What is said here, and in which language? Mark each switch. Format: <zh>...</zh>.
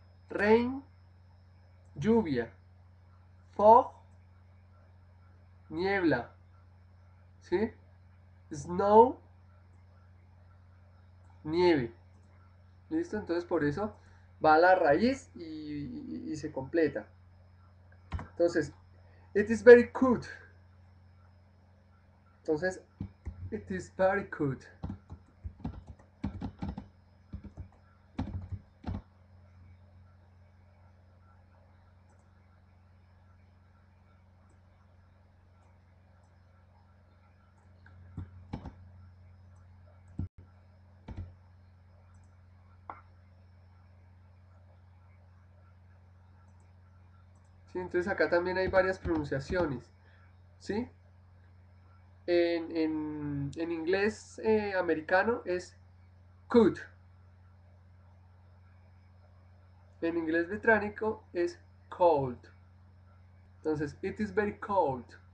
<es>Rain, lluvia. Fog, niebla. ¿Sí? Snow, nieve. ¿Listo? Entonces por eso va a la raíz y se completa. Entonces,</es> <en>it is very good.</en> <es>Entonces,</es> <en>it is very good.</en> <es>Sí, entonces acá también hay varias pronunciaciones, ¿sí? En inglés americano es could. En inglés británico es cold. Entonces,</es> <en>it is very cold.</en>